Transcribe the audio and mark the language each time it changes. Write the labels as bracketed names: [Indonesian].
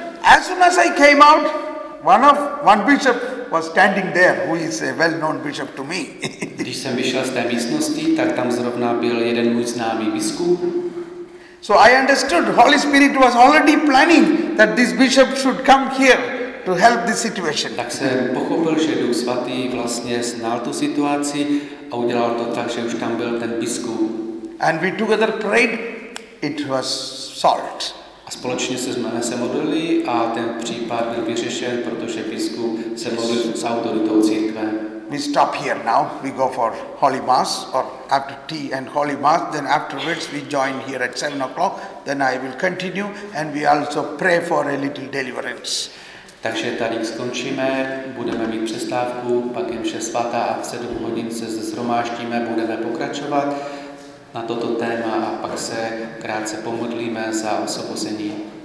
[English] As soon as I came out, one bishop was standing there, who is a well-known bishop to me. [Czech] Když jsem vyšel z té místnosti, tak tam zrovna byl jeden můj známý biskup. [English] So I understood Holy Spirit was already planning that this bishop should come here to help this situation. [Czech] Tak jsem pochopil, že Duch Svatý vlastně znal tu situaci a udělal to tak, že už tam byl ten biskup. [English] And we together prayed, it was solved. [Czech] A společně se modlili a ten případ byl vyřešen, protože biskup se modlil s autoritou církve. [English] We stop here now. We go for Holy Mass or after tea and Holy Mass. Then afterwards we join here at 7 o'clock. Then I will continue and we also pray for a little deliverance. [Czech] Takže tady skončíme, budeme mít přestávku, pak je mše svatá a v 7 hodin se zhromáždíme, budeme pokračovat na toto téma a pak se krátce pomodlíme za osvobození.